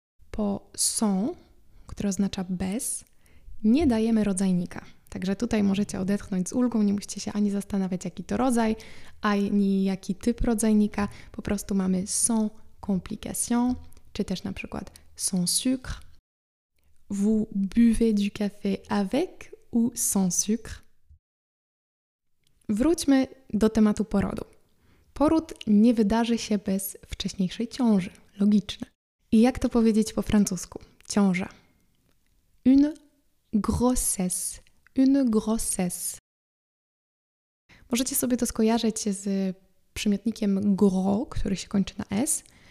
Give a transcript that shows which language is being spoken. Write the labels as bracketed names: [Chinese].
[Polish] Po sans, które oznacza bez, nie dajemy rodzajnika. Także tutaj możecie odetchnąć z ulgą, nie musicie się ani zastanawiać, jaki to rodzaj, ani jaki typ rodzajnika. Po prostu mamy [French] sans complication, [Polish] czy też na przykład sans sucre. [French] Vous buvez du café avec ou sans sucre? [Polish] Wróćmy do tematu porodu. Poród nie wydarzy się bez wcześniejszej ciąży. Logiczne. I jak to powiedzieć po francusku? Ciąża. Une grossesse. Une grossesse. Możecie sobie to skojarzyć z przymiotnikiem gros, który się kończy na s.